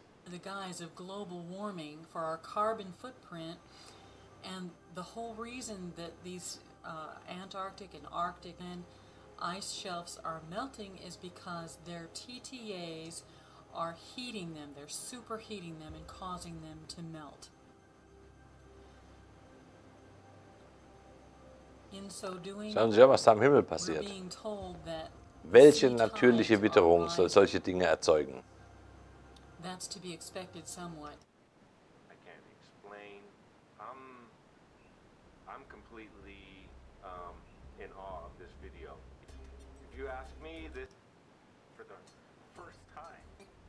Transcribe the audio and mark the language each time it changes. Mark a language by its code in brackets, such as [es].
[en] The guise of global warming for our carbon footprint, and the whole reason that these Antarctic and Arctic and ice shelves are melting is because their TTAs are heating them, they're superheating them and causing them to melt. In so doing, [de] schauen Sie mal, was da am Himmel passiert. [en] We're being told that [de] welche natürliche Witterung soll solche Dinge erzeugen? [en] That's to be expected somewhat. I can't explain. I'm completely in awe of this video. If you ask me this for the first time.